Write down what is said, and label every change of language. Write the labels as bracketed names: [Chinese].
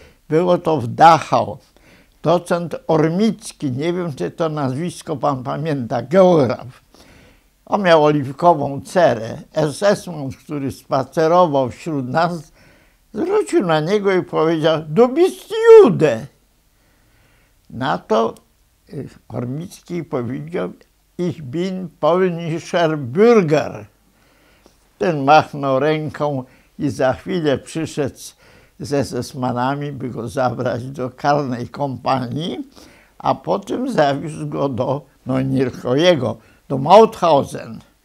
[Polish] Było to w Dachau. Docent Ormicki, nie wiem, czy to nazwisko pan pamięta, geograf. On miał oliwkową cerę. SS-man, który spacerował wśród nas, zwrócił na niego i powiedział: [German] Du bist Jude. [Polish] Na to Ormicki powiedział: [German] Ich bin polnischer Bürger. [Polish] Ten machnął ręką i za chwilę przyszedł z SS-manami, by go zabrać do karnej kompanii, a potem zawiózł go do, no nie tylko jego, do Mauthausen.